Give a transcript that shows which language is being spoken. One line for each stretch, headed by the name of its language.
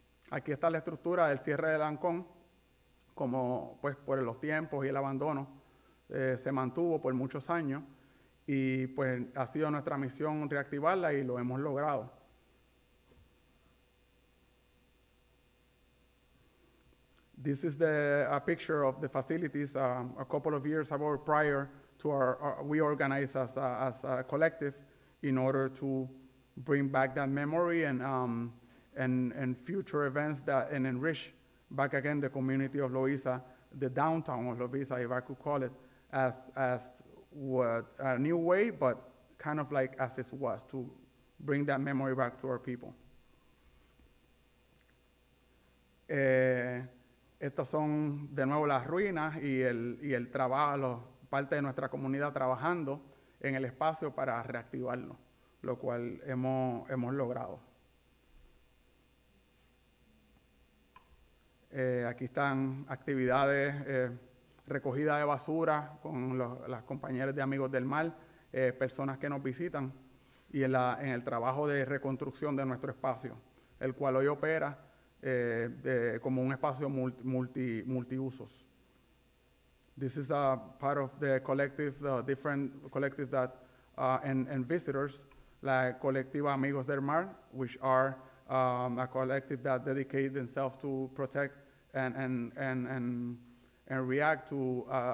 Spanish: Aquí está la estructura del cierre de Lancón, como pues por los tiempos y el abandono, se mantuvo por muchos años y pues ha sido nuestra misión reactivarla y lo hemos logrado.
English: This is a picture of the facilities a couple of years ago prior to we organized as a collective in order to bring back that memory and future events that and enrich back again the community of Loíza, the downtown of Loíza, if I could call it, as what a new way, but kind of like as it was, to bring that memory back to our people.
Spanish: Estas son de nuevo las ruinas y el trabajo, parte de nuestra comunidad trabajando en el espacio para reactivarlo, lo cual hemos logrado. Aquí están actividades recogida de basura con las compañeras de Amigos del Mar, personas que nos visitan, y en el trabajo de reconstrucción de nuestro espacio, el cual hoy opera como un espacio multiusos.
English: This is a part of the collective, the different collectives that and visitors, la colectiva Amigos del Mar, which are a collective that dedicate themselves to protect and react to